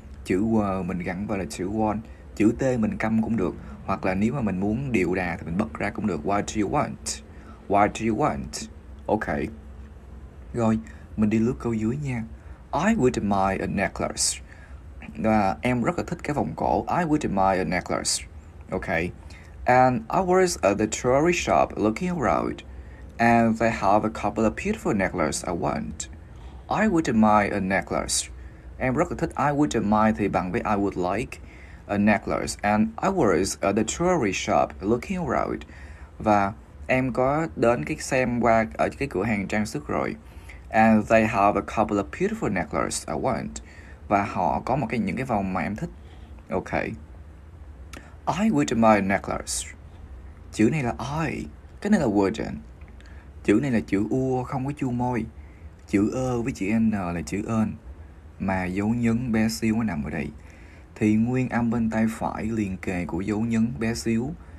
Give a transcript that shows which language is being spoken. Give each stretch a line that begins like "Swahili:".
Vietnamese: Chữ W mình gắn vào là chữ won, chữ T mình câm cũng được, hoặc là nếu mà mình muốn điệu đà thì mình bật ra cũng được.
English: What do you want?
Vietnamese: What do you want? Ok. Rồi, mình đi lướt câu dưới nha.
English: I would admire a necklace.
Vietnamese: Và em rất là thích cái vòng cổ.
English: I would admire a necklace. Ok. And I was at the jewelry shop looking around. And they have a couple of beautiful necklaces I want. I would admire a necklace.
Vietnamese: Em rất là thích
English: I would admire
Vietnamese: thì bằng với
English: I would like a necklace. And I was at the jewelry shop looking around.
Vietnamese: Và em có đến cái xem qua ở cái cửa hàng trang sức rồi.
English: And they have a couple of beautiful necklaces I want.
Vietnamese: Và họ có một cái những cái vòng mà em thích.
English: Ok. I would admire a necklace.
Vietnamese: Chữ này là
English: I.
Vietnamese: Cái này là
English: wouldn't.
Vietnamese: Chữ này là chữ U không có chu môi. Chữ Ơ với chữ N là chữ Ơn. Mà dấu nhấn bé xíu nó nằm ở đây. Thì nguyên âm bên tay phải liền kề của dấu nhấn bé xíu.